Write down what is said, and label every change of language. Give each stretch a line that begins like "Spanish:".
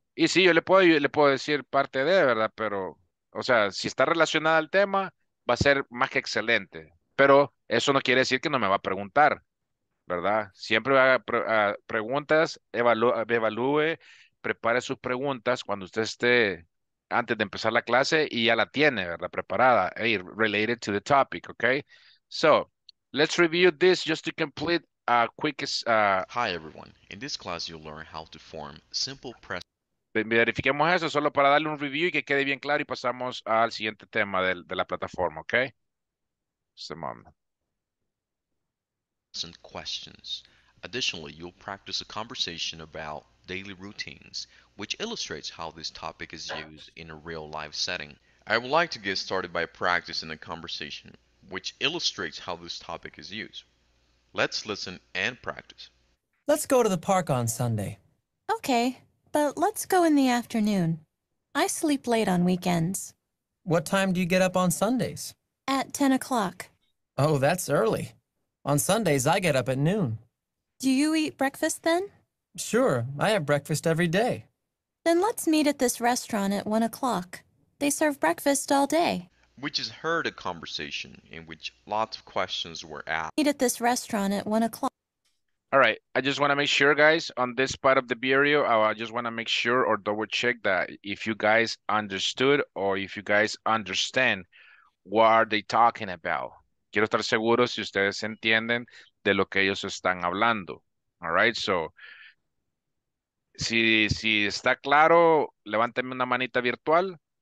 Spanish: Y sí, yo le puedo decir parte de, ¿verdad? Pero, o sea, si está relacionada al tema, va a ser más que excelente. Pero eso no quiere decir que no me va a preguntar, ¿verdad? Siempre haga preguntas, evalúe, prepare sus preguntas cuando usted esté antes de empezar la clase y ya la tiene, ¿verdad? Preparada.
English: Hey, related to the topic, okay? So, let's review this just to complete Hi everyone. In this class you'll learn how to form simple present.
Spanish: Verifiquemos eso solo para darle un review y que quede bien claro y pasamos al siguiente tema de la plataforma, ¿okay?
English: Just a moment. Some questions. Additionally, you'll practice a conversation about daily routines, which illustrates how this topic is used in a real life setting. I would like to get started by practicing a conversation which illustrates how this topic is used. Let's listen and practice. Let's go to the park on Sunday. Okay, but let's go in the afternoon. I sleep late on weekends. What time do you get up on Sundays? At 10 o'clock. Oh, that's early. On Sundays, I get up at noon. Do you eat breakfast then? Sure, I have breakfast every day. Then let's meet at this restaurant at 1 o'clock. They serve breakfast all day. We just heard a conversation in which lots of questions were asked. Meet at this restaurant at 1 o'clock. All right, I just want to make sure, guys, on this part of the video, I just want to make sure or double check that if you guys understood or if you guys understand what are they talking about.
Spanish: Quiero estar seguro si ustedes entienden de lo que ellos están hablando. All right, so... Si está claro, levánteme una manita virtual.